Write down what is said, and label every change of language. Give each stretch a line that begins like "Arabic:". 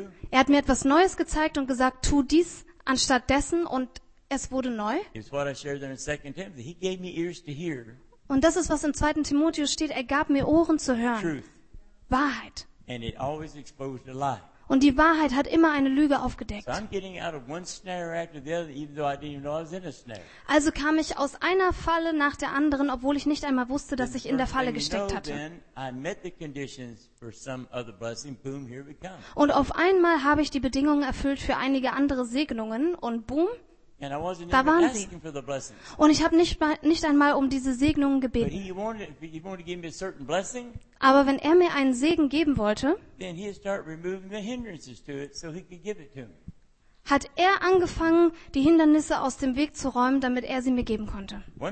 German: Er hat mir etwas Neues gezeigt und gesagt, tu dies anstatt dessen und es wurde neu.
English: It's what I shared in 2 Timothy. He gave me ears to hear.
German: Und das ist, was in 2. Timotheus steht. Er gab mir Ohren zu hören.
English: Truth.
German: Wahrheit.
English: And it always exposed a lie.
German: Und die Wahrheit hat immer eine Lüge aufgedeckt.
English: So I'm getting out of one snare after the other, even though I didn't even know I was in a snare.
German: Also kam ich aus einer Falle nach der anderen, obwohl ich nicht einmal wusste, dass ich in der Falle gesteckt hatte.
English: Then I met the conditions for some other blessing. Boom, here we come.
German: Und auf einmal habe ich die Bedingungen erfüllt für einige andere Segnungen und boom,
English: and I wasn't
German: da waren
English: asking for the blessings.
German: Und ich habe nicht einmal um diese Segnungen gebeten.
English: But he wanted to give me a certain blessing.
German: Aber wenn er mir einen Segen geben wollte, hat er angefangen, die Hindernisse aus dem Weg zu räumen, damit er sie mir geben konnte.